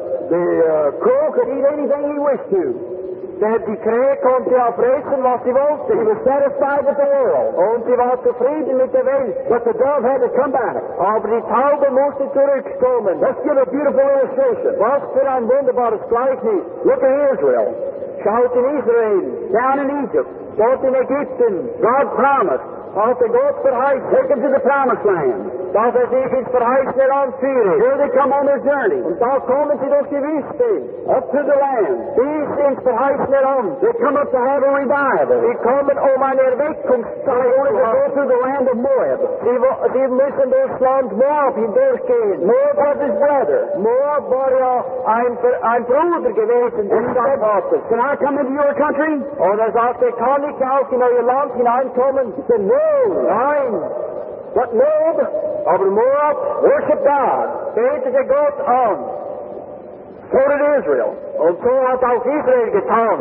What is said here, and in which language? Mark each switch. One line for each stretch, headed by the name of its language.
English: the crow could eat anything he wished to.
German: Der die Krähe konnte aufreißen, was sie wollte.
English: He was satisfied with the world.
German: Und sie war zufrieden mit der Welt.
English: But the dove had to come back.
German: Aber die Taube musste zurückkommen.
English: Let's give a beautiful illustration.
German: Was für ein wunderbares Gleichnis.
English: Look at Israel.
German: Schaut in Israel.
English: Down in Egypt.
German: Dort in Ägypten.
English: God promised.
German: Hatte Gott verheißen.
English: Take them to the promised land.
German: Dass er sich ins verheißene Land führen.
English: Here they come on their journey.
German: Und da kommen sie durch die Wüste.
English: Up to the land.
German: Bis ins verheißene Land.
English: They come up to have a revival.
German: Sie kommen um eine Erweckung.
English: They want to go through the land of Moab.
German: Sie müssen durchs Land Moab hindurchgehen.
English: Moab was his brother.
German: Moab war ja ein Bruder gewesen.
English: And he said, can I come into your country?
German: Und er sagte, kann ich auch in euer Land hineinkommen?
English: He said, no.
German: Nein.
English: But Moab,
German: aber Moab,
English: worship God.
German: Betete Gott an.
English: So did Israel.
German: Und so hat auch Israel getan.